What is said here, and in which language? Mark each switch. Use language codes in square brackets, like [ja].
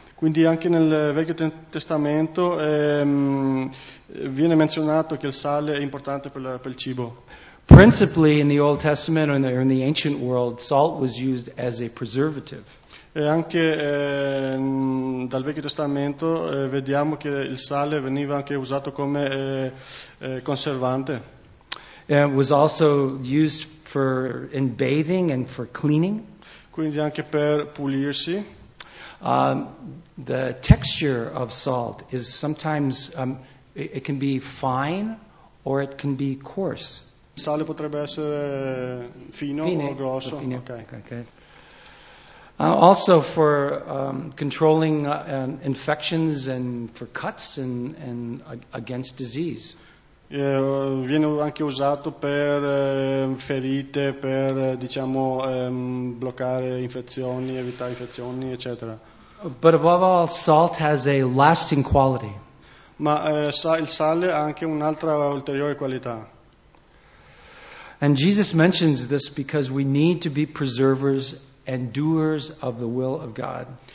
[it] Quindi anche nel Vecchio Testamento viene menzionato che il sale è importante per il cibo. [en] Principally in the Old Testament or in the ancient world, salt was used as a preservative. [it] E anche dal Vecchio Testamento vediamo che il sale veniva anche usato come conservante. [en] It was also used in bathing and for cleaning. [it] Quindi anche per pulirsi. [en] The texture of salt is sometimes it can be fine or it can be coarse. [it] Il sale potrebbe essere fino o grosso. [en] Fine. Okay. Also for controlling infections and for cuts and against disease. [it] Viene anche usato per ferite, per diciamo bloccare infezioni, evitare infezioni, eccetera. [en] But above all, salt has a lasting quality. [it] Ma il sale ha anche un'altra ulteriore qualità. [en] And Jesus mentions this because we need to be preservers and doers of the will of God.